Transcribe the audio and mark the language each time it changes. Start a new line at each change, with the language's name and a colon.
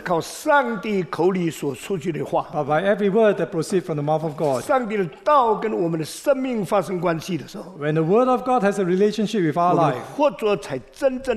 Chinese: 靠上帝口里所出去的话。
English: But by every word that proceeds from the mouth of God.
Chinese: 上帝的道跟我们的生命发生关系的时候。
English: When the word of God has a relationship with our life.